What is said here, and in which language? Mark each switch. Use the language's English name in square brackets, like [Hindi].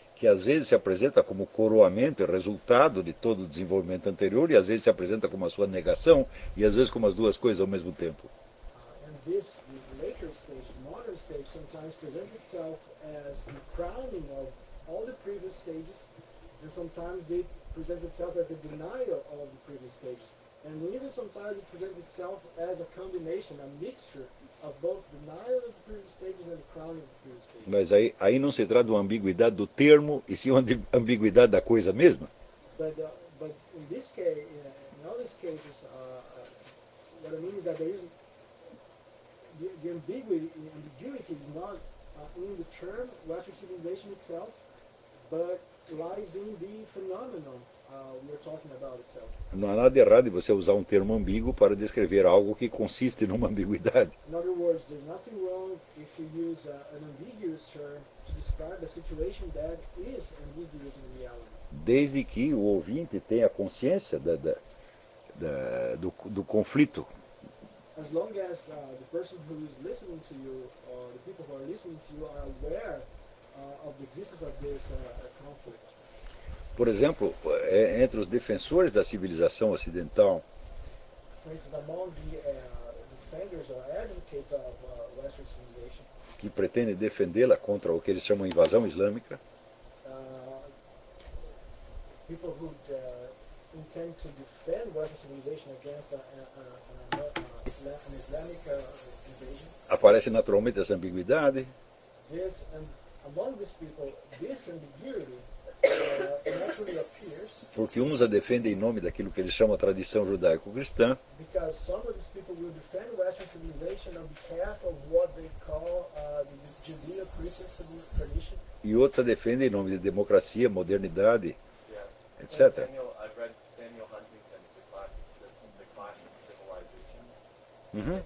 [Portuguese] Que às vezes se apresenta como coroamento e resultado de todo o desenvolvimento anterior, e às vezes se apresenta como a sua negação, e às vezes como as duas coisas ao mesmo tempo. [English] And this later stage, modern stage, sometimes presents itself as the crowning of all the previous stages, and sometimes it presents itself as the denial of the previous stages, and even sometimes it presents itself as a combination, a mixture of both denial of the previous stages and the crowning of the previous stages. [Portuguese] Mas aí não se trata de uma ambiguidade do termo, e sim uma ambiguidade da coisa mesma. [English] But in this case, in all these cases, what I mean is that there is the ambiguity is not in the term Western civilization itself, but lies in the phenomenon we are talking about itself. [Portuguese] Não há nada de errado em você usar um termo ambíguo para descrever algo que consiste numa ambiguidade. [English] In other words, there's nothing wrong if you use an ambiguous term to describe a situation that is ambiguous in reality. [Portuguese] Desde que o ouvinte tenha consciência do conflito. [English] As long as the person who is listening to you, or the people who are listening to you, are aware of the existence of this conflict. [Portuguese] Por exemplo, entre os defensores da civilização ocidental, [English] for instance, among the defenders or advocates of Western civilization, [Portuguese] que pretendem defendê-la contra o que eles chamam de invasão islâmica, [English] people who intend to defend Western civilization against an Islamic invasion, [Portuguese] aparece naturalmente essa ambiguidade. [English] This, among these people, this ambiguity naturally appears, [Portuguese] porque uns a defendem em nome daquilo que eles chamam de tradição judaico-cristã, [English] because some of these people will defend Western civilization on behalf of what they call the Judeo-Christian tradition, [Portuguese] e outros a defendem em nome de democracia, modernidade, [English] yeah, etc. I've read Samuel Huntington's The Clash of Civilizations.